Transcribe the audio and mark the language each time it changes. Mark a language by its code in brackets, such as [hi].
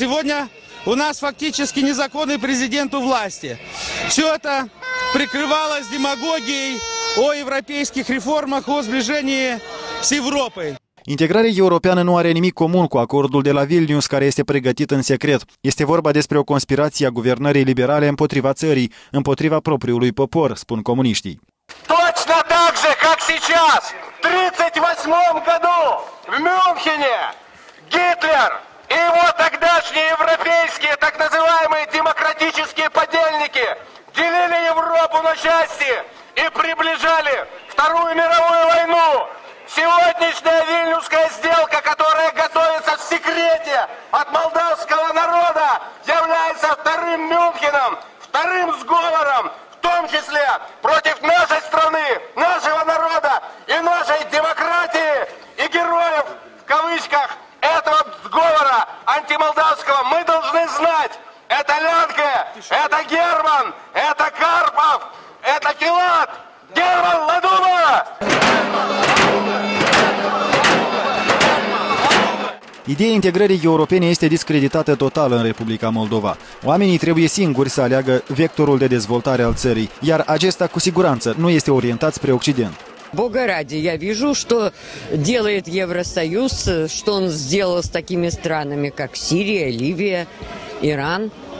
[ru] Сегодня у нас фактически незаконный президент у власти. Все это прикрывалось демагогией о европейских реформах, о сближении с Европой. [ro] Integrarea europeană nu are nimic comun cu acordul de la Vilnius, care este pregătit în secret. Este vorba despre o conspirație a guvernării liberale împotriva țării, împotriva propriului popor, spun comuniștii. [ru] Точно так же, как сейчас, в 38-м году в Мюнхене Гитлер и его тогдашние европейские так называемые демократические подельники делили Европу на части и приближали Вторую мировую войну. Сегодняшняя Вильнюсская сделка, которая готовится в секрете от молдавского народа, является вторым Мюнхеном, вторым сговором, в том числе против нашей страны, нашего народа и нашей демократии и героев, в кавычках, этого сговора антимолдавского. Мы должны знать, это Лянке, это Герман, это Карпов, это Килат, Герман Ладуба! [ro] Ideea integrării europene este discreditată total în Republica Moldova. Oamenii trebuie singuri să aleagă vectorul de dezvoltare al țării, iar acesta cu siguranță nu este orientat spre Occident. [ru] Бога ради, я вижу, что делает Евросоюз, что он сделал с такими странами, как Сирия, Ливия, Иран.